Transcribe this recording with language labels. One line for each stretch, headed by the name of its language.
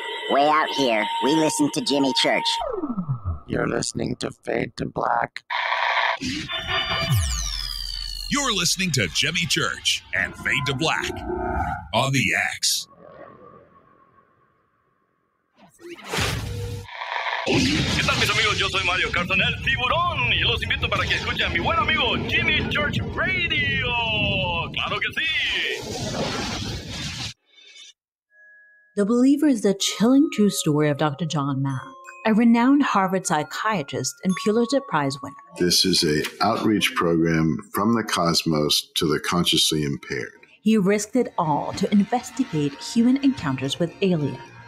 English: Way out here, we listen to Jimmy Church. You're listening to Fade to Black. You're listening to Jimmy Church and Fade to Black on the X.
Spanish: ¿Qué tal, mis amigos? Yo soy Mario Carson, el tiburón, y los invito para que escuchen a mi buen amigo Jimmy Church Radio. ¡Claro que sí!
English: The Believer is the chilling true story of Dr. John Mack, a renowned Harvard psychiatrist and Pulitzer Prize winner. This is an outreach program from the cosmos to the consciously impaired. He risked it all to investigate human encounters with aliens.